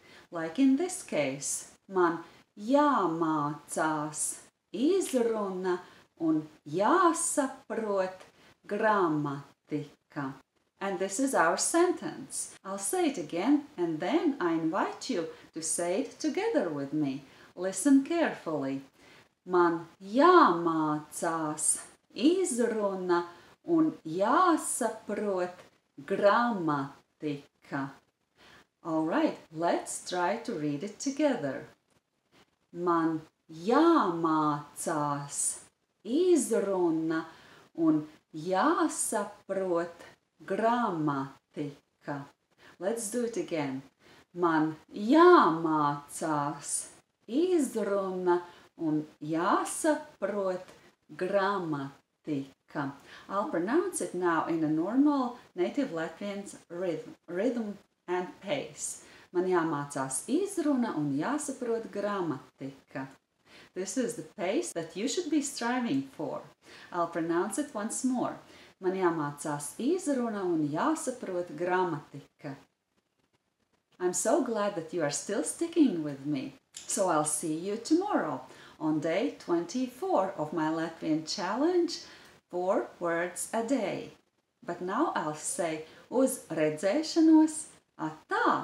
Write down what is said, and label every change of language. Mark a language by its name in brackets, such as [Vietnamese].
[English] Like in this case, [Latvian] man jāmācās izruna un jāsaprot gramatika. [English] And this is our sentence. I'll say it again, and then I invite you to say it together with me. Listen carefully. [Latvian] Man jāmācās izruna un jāsaprot gramatika. [English] All right, let's try to read it together. [Latvian] Man jāmācās izruna un jāsaprot gramatika. [English] Let's do it again. [Latvian] Man jāmācās izruna un jāsaprot gramatika. [English] I'll pronounce it now in a normal native Latvian's rhythm and pace. [Latvian] Man jāmācās izruna un jāsaprot gramatika. [English] This is the pace that you should be striving for. I'll pronounce it once more. [Latvian] Man jāmācās izruna un jāsaprot gramatika. [English] I'm so glad that you are still sticking with me. So I'll see you tomorrow on day 24 of my Latvian challenge, 4 words a day. But now I'll say [Latvian] uz redzēšanos, atā!